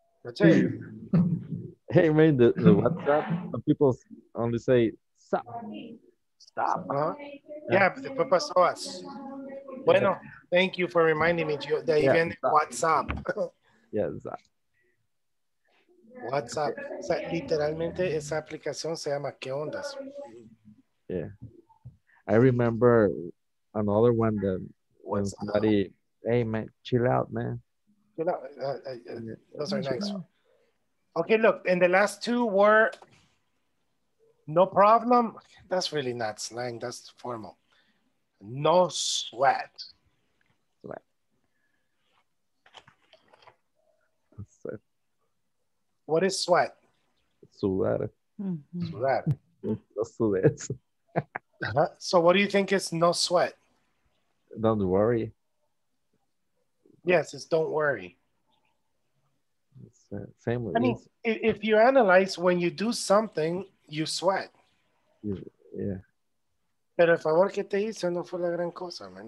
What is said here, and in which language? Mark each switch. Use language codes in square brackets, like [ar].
[en] Hey, man, the WhatsApp, some people only say, stop. Stop, huh? Yeah, but the papa saw us. Bueno, thank you for reminding me, Gio, that even WhatsApp. Yes. WhatsApp. [es] O sea, literalmente, esa aplicación se llama ¿Qué Ondas? [en] Yeah. I remember another one that when somebody, hey, man, chill out, man. Those are nice. Okay, look, and the last two were no problem. That's really not slang, that's formal. No sweat. Sweat. What is sweat? [es] Sudar. Sudar. [en] No sweat. So what do you think is no sweat? Don't worry. Yes, it's don't worry. Same with I mean, if you analyze, when you do something, you sweat. Yeah. [es] Pero el favor que te hice no fue la gran cosa, man.